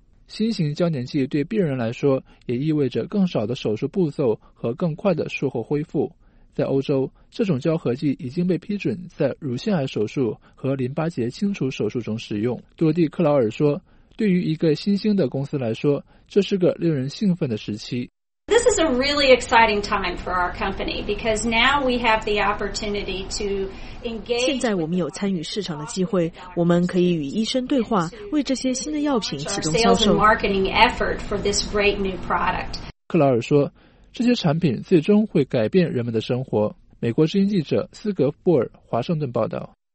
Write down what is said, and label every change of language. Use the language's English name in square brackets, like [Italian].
[Chinese] 新型胶粘剂对病人来说也意味着更少的手术步骤和更快的术后恢复。在欧洲，这种胶合剂已经被批准在乳腺癌手术和淋巴结清除手术中使用。多蒂·克劳尔说，对于一个新兴的公司来说，这是个令人兴奋的时期。 [English] This is a really exciting time for our company because now we have the opportunity to engage. [Chinese] 现在我们有参与市场的机会，我们可以与医生对话，为这些新的药品启动销售。 [English] Marketing effort for this great new product. [Chinese] 克劳尔说，这些产品最终会改变人们的生活。美国之音记者斯格布尔，华盛顿报道。